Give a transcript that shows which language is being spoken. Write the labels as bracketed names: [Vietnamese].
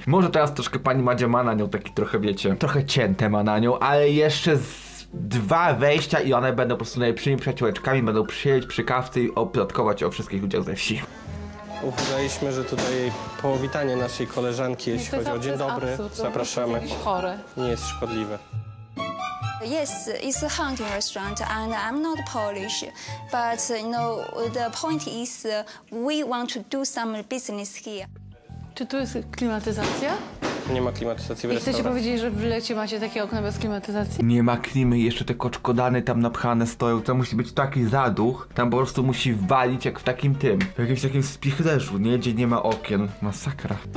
[Polish] Może teraz troszkę pani Madzia ma na nią taki trochę, wiecie, trochę cięte ma na nią, ale jeszcze z 2 wejścia i one będą po prostu najlepszymi przyjaciółeczkami, będą przyjeść przy kawce i oplotkować o wszystkich ludziach ze wsi. Uważaliśmy, że tutaj powitanie naszej koleżanki, jeśli chodzi o dzień dobry, zapraszamy. Jest chore. Nie jest szkodliwe. [English] Yes, it's a hunting restaurant, and I'm not Polish, but you know, the point is, we want to do some business here. [Polish] Czy tu jest klimatyzacja? Nie ma klimatyzacji w restauracji. Chcecie powiedzieć, że w lecie macie takie okno bez klimatyzacji? Nie ma klimy, jeszcze te koczkodany tam napchane stoją. To musi być taki zaduch, tam po prostu musi walić jak w takim tym. W jakimś takim spichlerzu, nie? Gdzie nie ma okien. Masakra.